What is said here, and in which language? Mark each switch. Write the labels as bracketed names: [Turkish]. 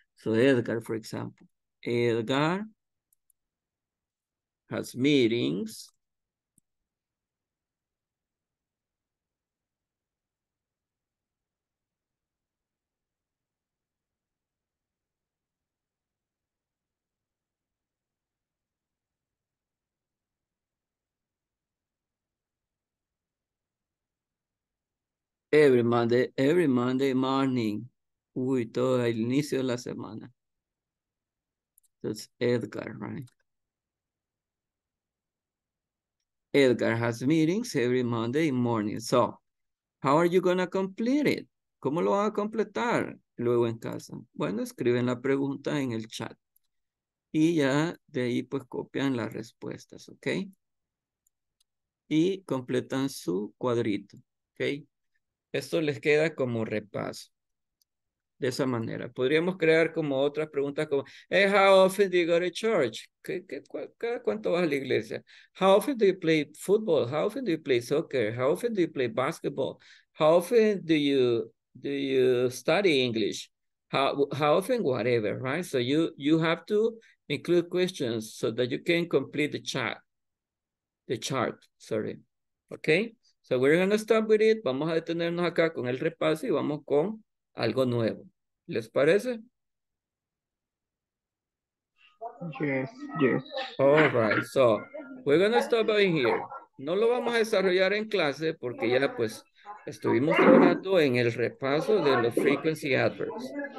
[English] So Edgar, for example. Edgar has meetings every Monday morning. [Spanish] Uy, todo el inicio de la semana. [English] That's Edgar, right? Edgar has meetings every Monday morning. So, how are you going to complete it? [Spanish] ¿Cómo lo van a completar luego en casa? Bueno, escriben la pregunta en el chat. Y ya de ahí pues copian las respuestas, ¿ok? Y completan su cuadrito, ¿ok? Esto les queda como repaso. De esa manera. Podríamos crear como otras preguntas como, [English] hey, how often do you go to church? [Spanish] ¿Cuánto vas a la iglesia? [English] How often do you play football? How often do you play soccer? How often do you play basketball? How often do you study English? How often, whatever, right? So you have to include questions so that you can complete the chart. Okay? So we're going to stop with it. [Spanish] Vamos a detenernos acá con el repaso y vamos con algo nuevo. ¿Les parece? [English] Yes. All right. So we're going to stop right here. [Spanish] No lo vamos a desarrollar en clase porque ya pues estuvimos trabajando en el repaso de los frequency adverbs.